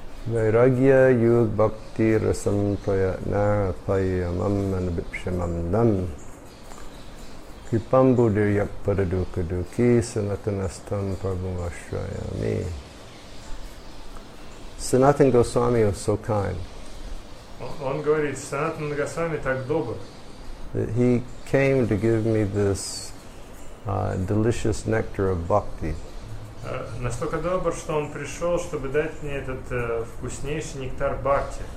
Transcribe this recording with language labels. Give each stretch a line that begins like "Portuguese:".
Sanskrit: Vairagya yug bhakti rasam prayatna apayamam anabipshamam dam kripam buddhir yak padaduka duki sanatanastam prabhum ashrayami.
English: Sanatana Goswami was so kind.
Russian: Он говорит, Санатана Госвами так добр.
English: That he came to give me this delicious nectar of bhakti.
Russian: Настолько добр, что он пришел, чтобы дать мне этот вкуснейший нектар бхакти.